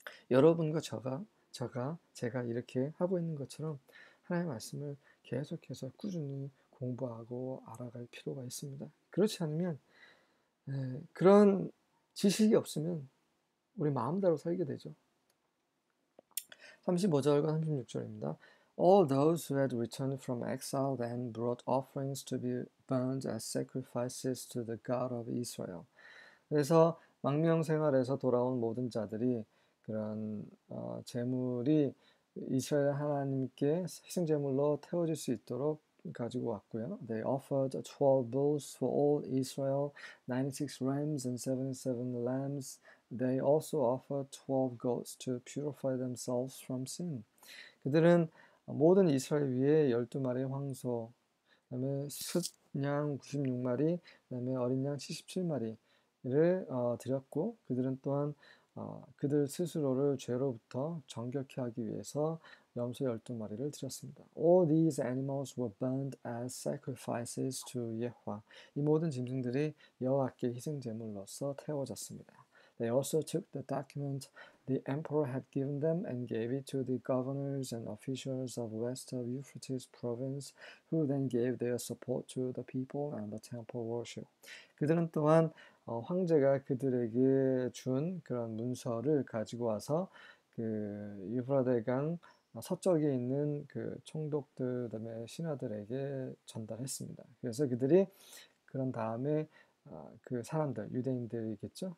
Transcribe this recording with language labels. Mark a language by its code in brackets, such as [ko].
[ko] 여러분과 제가 이렇게 하고 있는 것처럼 하나님의 말씀을 계속해서 꾸준히 공부하고 알아갈 필요가 있습니다. 그렇지 않으면 그런 지식이 없으면 우리 마음대로 살게 되죠. 35절과 36절입니다. [en] All those who had returned from exile then brought offerings to be burned as sacrifices to the God of Israel. [ko] 그래서 망명 생활에서 돌아온 모든 자들이 그런 제물이 이스라엘 하나님께 희생제물로 태워질 수 있도록 가지고 왔고요. [en] They offered 12 bulls for all Israel, 96 rams and 77 lambs. They also offered 12 goats to purify themselves from sin. [ko] 그들은 모든 이스라엘 위에 12마리의 황소, 그다음에 숫양 96마리, 그다음에 어린 양 77마리를 드렸고, 그들은 또한 그들 스스로를 죄로부터 정결케 하기 위해서 염소 12마리를 드렸습니다. [en] All these animals were burned as sacrifices to Yahweh. [ko] 이 모든 짐승들이 여호와께 희생제물로서 태워졌습니다. [en] They also took the document the emperor had given them and gave it to the governors and officials of west of Euphrates province, who then gave their support to the people and the temple worship. [ko] 그들은 또한 황제가 그들에게 준 그런 문서를 가지고 와서 그 유프라데 강 서쪽에 있는 그 총독들, 그다음에 신하들에게 전달했습니다. 그래서 그들이 그런 다음에 그 사람들, 유대인들이겠죠?